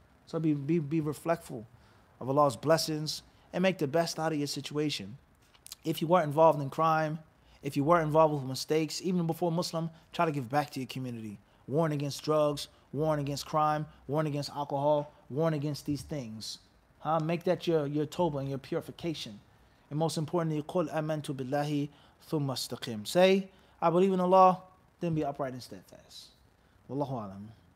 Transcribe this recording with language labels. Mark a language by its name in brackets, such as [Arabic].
[English] So be reflectful of Allah's blessings and make the best out of your situation. If you weren't involved in crime, if you weren't involved with mistakes, even before Muslim, try to give back to your community. Warn against drugs, warn against crime, warn against alcohol, warn against these things. Huh? Make that your tawbah and your purification. And most importantly, [Arabic] قُلْ أَمَنْتُ بِاللَّهِ ثُمَّ اسْتَقِيمْ. [English] Say, I believe in Allah, then be upright and steadfast. Wallahu alam.